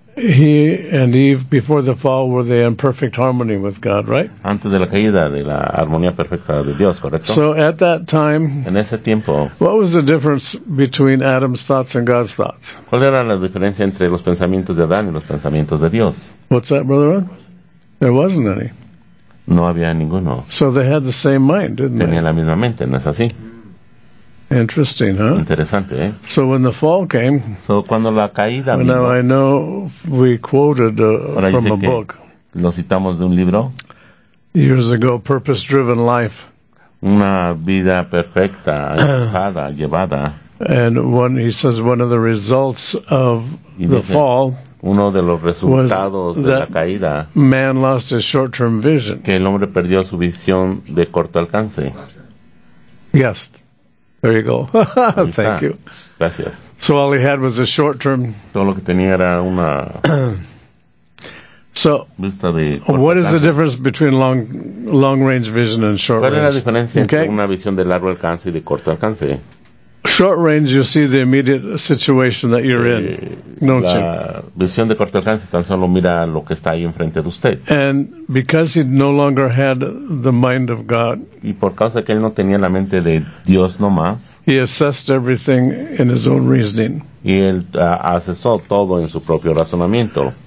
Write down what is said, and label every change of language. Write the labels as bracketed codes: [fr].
[en] He and Eve, before the fall, were they in perfect harmony with God, right? [es] Antes de la caída, de la armonía perfecta de Dios, ¿correcto? [en] So at that time, [es] en ese tiempo, [en] what was the difference between Adam's thoughts and God's thoughts? [es] ¿Cuál era la diferencia entre los pensamientos de Adán y los pensamientos de Dios? [en] What's that, brother Ron? There wasn't any. [es] No había ninguno. [en] So they had the same mind, didn't [es] Tenían [en] they? [es] Tenían la misma mente, ¿no es así? [en] Interesting, huh? [es] Interesante, ¿eh? [en] So when the fall came, [es] so cuando la caída vino, [en] now I know we quoted from a book. [es] Lo citamos de un libro. [en] Years ago, purpose-driven life. [es] Una vida perfecta, enfocada, llevada. [en] And one, he says, one of the results of the fall. [es] Uno de los resultados de la caída. [en] Man lost his short-term vision. [es] Que el hombre perdió su visión de corto alcance. [en] Yes. There you go. Thank you. [es] Gracias. [en] So all he had was a short term. [es] Todo lo que tenía era una [en] so [es] vista de [en] what is the difference between long range vision and short range? [es] ¿Cuál es la diferencia entre una visión de largo alcance y de corto alcance? [en] Short range, you see the immediate situation that you're in, don't you? [es] La visión de corto alcance tan solo mira lo que está ahí enfrente de usted. [en] And because he no longer had the mind of God, [es] y por causa que él no tenía la mente de Dios nomás, [en] he assessed everything in his own reasoning. [es] Y él asesó todo en su propio razonamiento.